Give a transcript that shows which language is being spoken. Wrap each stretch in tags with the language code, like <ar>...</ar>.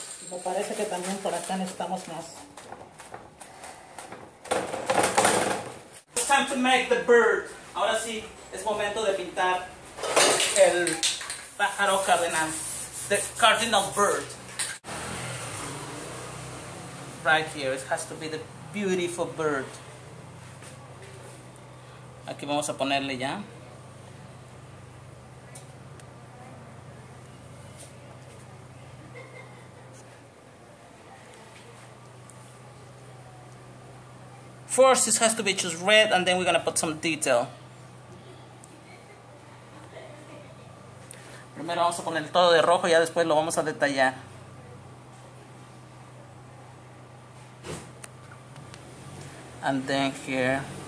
<es>Me parece que también por acá necesitamos más.</es> <en>It's time to make the bird.</en> <es>Ahora sí, es momento de pintar el pájaro cardenal.</es> <en>The cardinal bird. Right here, it has to be the beautiful bird.</en> <es>Aquí vamos a ponerle ya.</es> <en>First, this has to be just red, and then we're gonna put some detail.</en> <es>Primero vamos a poner todo de rojo, ya después lo vamos a detallar.</es> <en>And then here.</en>